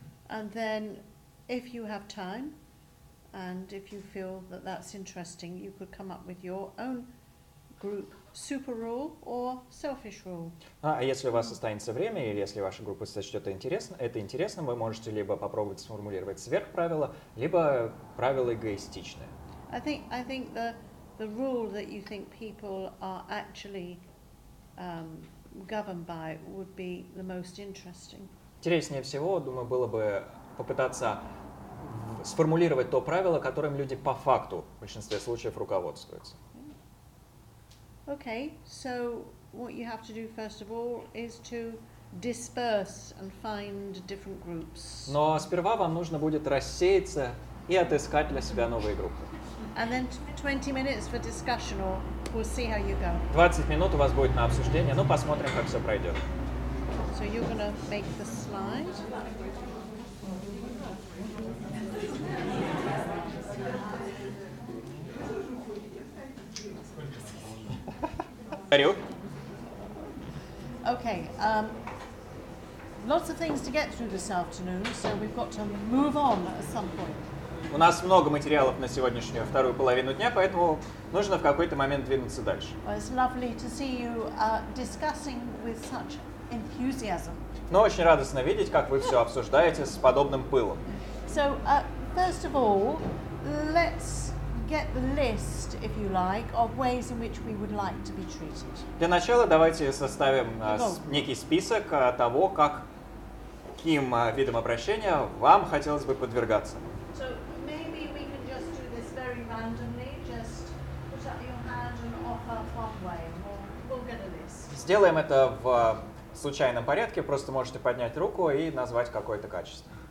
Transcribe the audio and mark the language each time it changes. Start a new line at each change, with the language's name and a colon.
English: And then, if you have time, and if you feel that that's interesting, you could come up with your own group. Super rule or selfish rule.
Russian: А если у вас останется время, или если ваша группа сочтет это интересным, вы можете либо попробовать сформулировать сверхправило, либо правило эгоистичное.
English: I think the rule that you think people are actually governed by would be the most interesting.
Russian: Интереснее всего, думаю, было бы попытаться сформулировать то правило, которым люди по факту в большинстве случаев руководствуются.
English: Okay, so what you have to do first of all is to disperse and find different groups.
Russian: Но сперва вам нужно будет рассеяться и отыскать для себя новые группы.
English: And then 20 minutes for discussion, or we'll see how you go.
Russian: 20 минут у вас будет на обсуждение, ну посмотрим, как все пройдет.
English: So you're gonna make the slide. Okay, lots of things to get through this afternoon, so we've got to move on at some point.
Russian: У нас много материалов на сегодняшнюю вторую половину дня, поэтому нужно в какой-то момент двинуться дальше.
English: Well, it's lovely to see you discussing with such enthusiasm.
Russian: Ну, очень радостно видеть, как вы все обсуждаете с подобным пылом.
English: So, first of all, let's get the list, if you like, of ways in which we would like to be treated.
Russian: Для начала давайте составим некий список того, как каким видом обращения вам хотелось бы подвергаться.
English: So maybe we can just do this very randomly, just put up your hand and offer one way, we'll get a list.
Russian: Сделаем это в случайном порядке, просто можете поднять руку и назвать какое-то качество.